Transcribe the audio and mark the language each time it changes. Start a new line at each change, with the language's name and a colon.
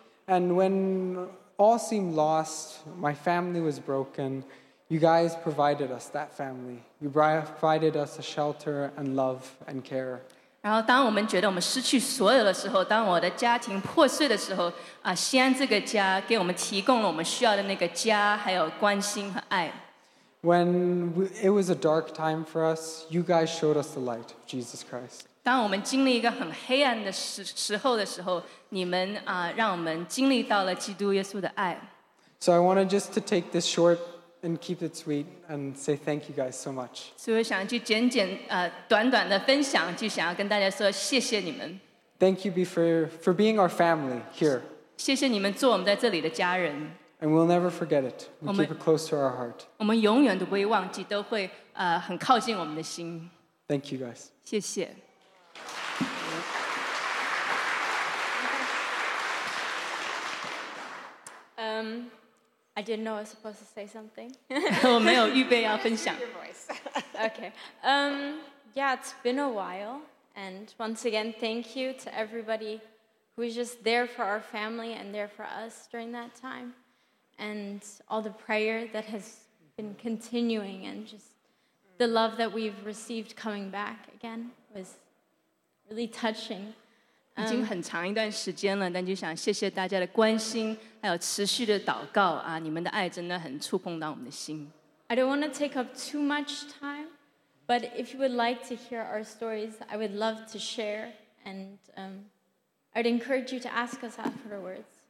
English: And when all seemed lost, my family was broken. You guys provided us that family. You provided us a shelter and love and care.
Chinese: 然后当我们觉得我们失去所有的时候，当我的家庭破碎的时候，西安这个家给我们提供了我们需要的那个家，还有关心和爱。
English: When it was a dark time for us, you guys showed us the light, Jesus Christ.
Chinese: 当我们经历一个很黑暗的时候的时候，你们让我们经历到了基督耶稣的爱。
English: So I wanted just to take this short and keep it sweet and say thank you guys so much.
Chinese: 所以我想就短短的分享，就想要跟大家说谢谢你们。
English: Thank you for being our family here.
Chinese: 谢谢你们做我们在这里的家人。
English: And we'll never forget it. We keep it close to our heart.
Chinese: 我们永远都不会忘记，都会很靠近我们的心。
English: Thank you, guys.
Chinese: 谢谢。
English: I didn't know I was supposed to say something.
Chinese: 我没有预备要分享。
English: Your voice. Okay. Yeah, it's been a while. And once again, thank you to everybody who was just there for our family and there for us during that time. And all the prayer that has been continuing and just the love that we've received coming back again was really touching.
Chinese: 已经很长一段时间了，但就想谢谢大家的关心，还有持续的祷告啊！你们的爱真的很触碰到我们的心。
English: I don't want to take up too much time, but if you would like to hear our stories, I would love to share, and I'd encourage you to ask us afterwards.